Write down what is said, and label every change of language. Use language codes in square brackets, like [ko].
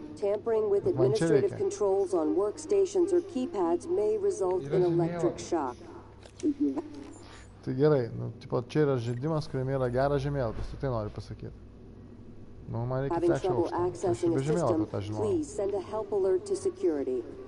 [en] Tampering with administrative controls on workstations or keypads may result in electric shock. [lt] Tai gerai. Nu, tipo, čia yra žaidimas, kuriame yra geras žemėlapis. Tu tai nori pasakyti. Nu, man reikia trečio aukšto. Aš jau bežymėjau, kad aš žinau. [en] Please send a help alert to security.